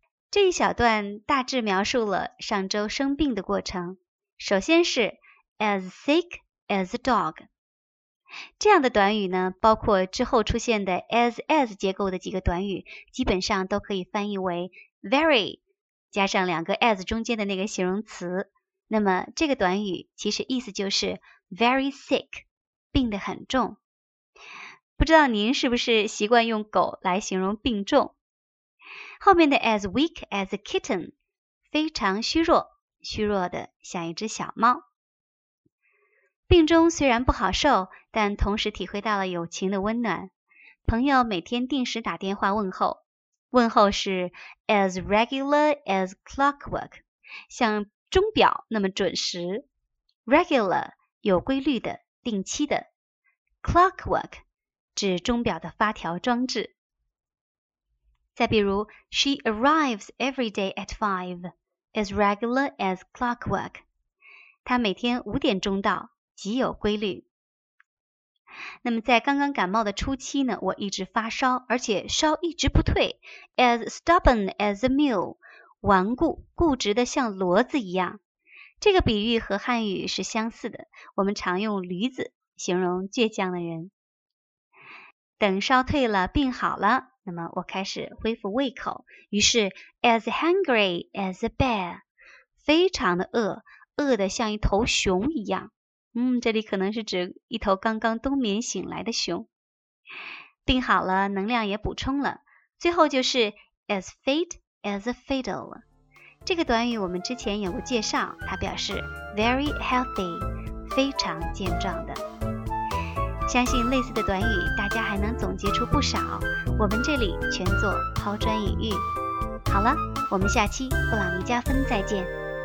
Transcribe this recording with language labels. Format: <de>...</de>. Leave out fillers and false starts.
<zh>这一小段大致描述了上周生病的过程。首先是</zh> <en>as sick as a dog。</en> <zh>这样的短语呢，包括之后出现的 as 结构的几个短语，基本上都可以翻译为 very 加上两个 as 中间的那个形容词。那么这个短语其实意思就是</zh> <en>very sick，</en> <zh>病得很重。不知道您是不是习惯用狗来形容病重？后面的</zh> <en>as weak as a kitten，</en> <zh>非常虚弱，虚弱的像一只小猫。病中虽然不好受，但同时体会到了友情的温暖。朋友每天定时打电话问候，问候是</zh> <en>as regular as clockwork，</en> <zh>像钟表那么准时。 regular 有规律的、定期的 ，clockwork 指钟表的发条装置。再比如</zh> <en>，she arrives every day at 5， as regular as clockwork，</en> <zh>她每天5点钟到。极有规律。那么在刚刚感冒的初期呢，我一直发烧，而且烧一直不退，</zh> <en>as stubborn as a mule，</en> <zh>顽固固执的像骡子一样。这个比喻和汉语是相似的，我们常用驴子形容倔强的人。等烧退了，病好了，那么我开始恢复胃口，于是</zh> <en>as hungry as a bear，</en> <zh>非常的饿，饿得像一头熊一样。这里可能是指一头刚刚冬眠醒来的熊。病好了，能量也补充了。最后就是</zh> <en>as fit as a fiddle。</en> <zh>这个短语我们之前有过介绍，它表示</zh> <en>very healthy，</en> <zh>非常健壮的。相信类似的短语大家还能总结出不少，我们这里全做抛砖引玉。好了，我们下期布朗尼加分再见。</zh>